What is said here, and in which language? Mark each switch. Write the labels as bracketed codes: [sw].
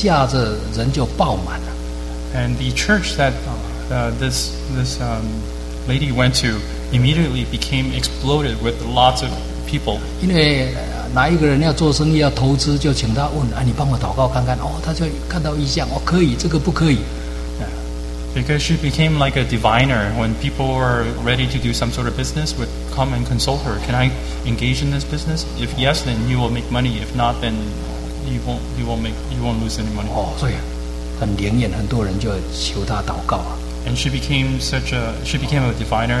[zh] 那后来他所参加的教会啊，一下子人就爆满了。 [en] And the church that this lady went to immediately became exploded with lots of people. [zh] 因为哪一个人要做生意要投资，就请他问，啊，你帮我祷告看看。哦，他就看到异象，哦，可以，这个不可以。 [en] Because she became like a diviner. When people were ready to do some sort of business, would come and consult her. Can I engage in this business? If yes, then you will make money. If not, then you won't lose any money. [zh] Oh, 所以很灵验, [en] and she became a diviner.